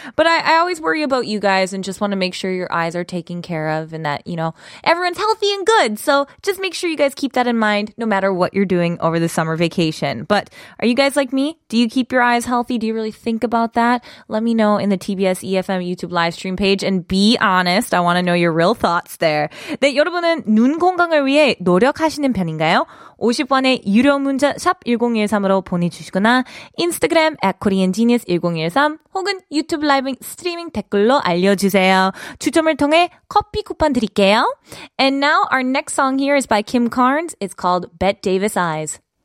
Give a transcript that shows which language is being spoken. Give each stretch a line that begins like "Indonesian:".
English: But I always worry about you guys and just want to make sure your eyes are taken care of and that, you know, everyone's healthy and good. So just make sure you guys keep that in mind no matter what you're doing over the summer vacation. But are you guys like me? Do you keep your eyes healthy? Do you really think about that? Let me know in the TBS EFM YouTube live stream page, and be honest, I want to know your real thoughts there.
Korean: 네, 여러분은 눈 건강을 위해 노력하시는 편인가요? 50원의 유료 문자 샵 1013으로 보내주시거나 인스타그램 @koreangenius1013 혹은 유튜브 라이브 스트리밍 댓글로 알려주세요. 추첨을 통해 커피 쿠폰 드릴게요.
English: And now our next song here is by Kim Carnes. It's called Bette Davis Eyes.